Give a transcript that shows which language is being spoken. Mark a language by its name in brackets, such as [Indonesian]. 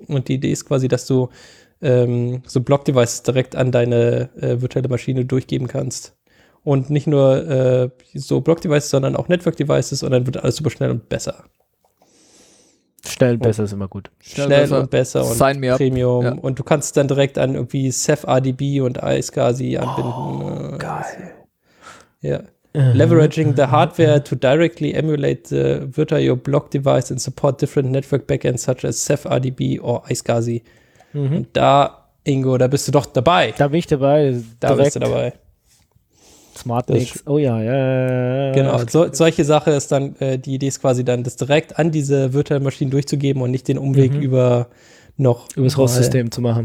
[German] Und die Idee ist quasi, dass du so Block-Devices direkt an deine virtuelle Maschine durchgeben kannst. Und nicht nur so Block-Devices, sondern auch Network-Devices, und dann wird alles super schnell und besser. Schnell und besser ist immer gut. Schnell besser. Und besser und [English] Sign me up. [German] Premium. Ja. Und du kannst es dann direkt an irgendwie CephRDB und iSCSI anbinden. Oh, geil. Ja. [English] Leveraging the hardware to directly emulate the virtual block device and support different network backends such as CephRDB or iSCSI. Mhm. [German] Und da, Ingo, da bist du doch dabei. Da bin ich dabei. Da direkt. Bist du dabei. Smart Links. Oh ja, ja, ja. Genau, okay. Solche Sache ist dann, die Idee ist quasi dann, das direkt an diese virtuellen Maschinen durchzugeben und nicht den Umweg über noch. Über das Host-System zu machen.